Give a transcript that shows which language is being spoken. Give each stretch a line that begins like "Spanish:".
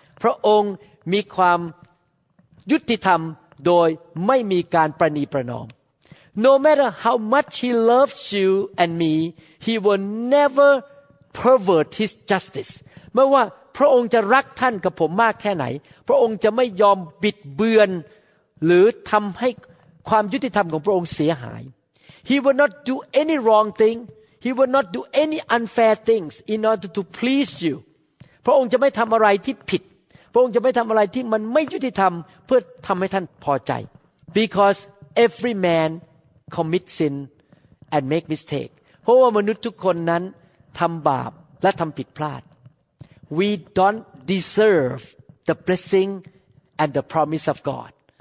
Thai: พระองค์มีความยุติธรรมโดยไม่มีการประนีประนอม
English: No matter how much he loves you and me, he will never pervert his justice.
Thai: ไม่ว่าพระองค์จะรักท่านกับผมมากแค่ไหนพระองค์จะไม่ยอมบิดเบือนหรือทำให้ความยุติธรรมของพระองค์เสียหาย
English: He will not do any wrong thing. He will not do any unfair things in order to please you.
Thai: พระองค์จะไม่ทำอะไรที่ผิดพระองค์จะไม่ทำอะไรที่มันไม่ยุติธรรมเพื่อทำให้ท่านพอใจ
English: Because every man commits sin and make mistake.
Thai: เพราะว่ามนุษย์ทุกคนนั้นทำบาปและทำผิดพลาด
English: We don't deserve the blessing and the promise of God.